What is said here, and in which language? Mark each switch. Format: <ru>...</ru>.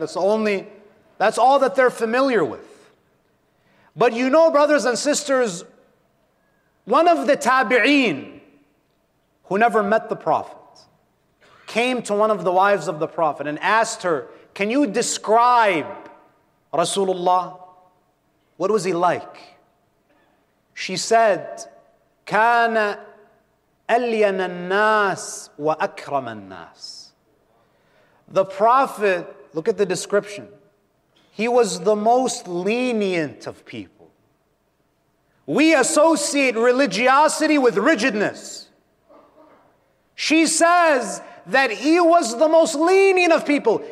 <en>That's all that they're familiar with. But you know, brothers and sisters, one of the tabi'een who never met the Prophet came to one of the wives of the Prophet and asked her, can you describe Rasulullah? What was he like? She said,</en> <ar>كان ألين الناس وأكرم الناس.</ar> <en>The Prophet, look at the description, he was the most lenient of people. We associate religiosity with rigidness. She says that he was the most lenient of people.</en>